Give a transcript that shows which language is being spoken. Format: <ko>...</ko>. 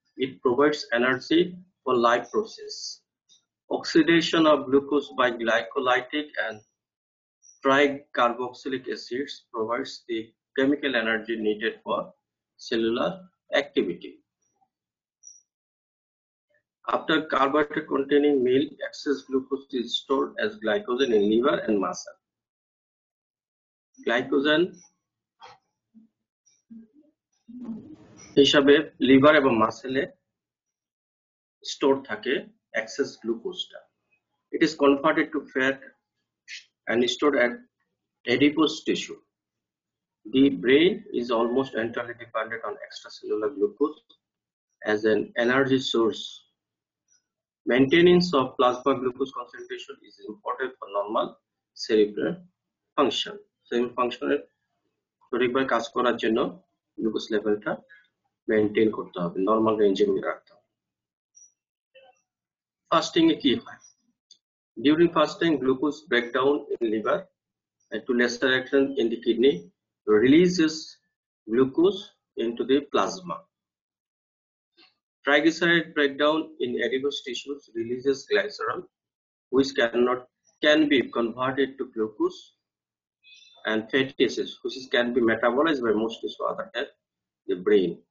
<en>It provides energy for life process. Oxidation of glucose by glycolytic and tricarboxylic acids provides the chemical energy needed for cellular activity. After carbohydrate-containing meal, excess glucose is stored as glycogen in liver and muscle.</en> <bn>Glycogen হিসাবে liver এবং মাসেলে store থাকে access গ্লুকোজটা।</bn> <en>It is converted to fat and store at adipose tissue. The brain is almost entirely dependent on extra cellular glucose as an energy source. Maintenance of plasma glucose concentration is important for normal cerebral function.</en> <bn>Same function এর সঠিকভাবে কাজ করার জন্য glucose লেভেলটা maintain করতে হবে, normal রেঞ্জে রাখতে হবে। ফাস্টিং এ কি হয়?</bn> <en>During fasting glucose break down in liver and to lesser extent in the kidney releases glucose into the plasma. Triglyceride breakdown in adipose tissues releases glycerol, which can be converted to glucose and fatty acids, which can be metabolized by most tissue other than the brain.</en>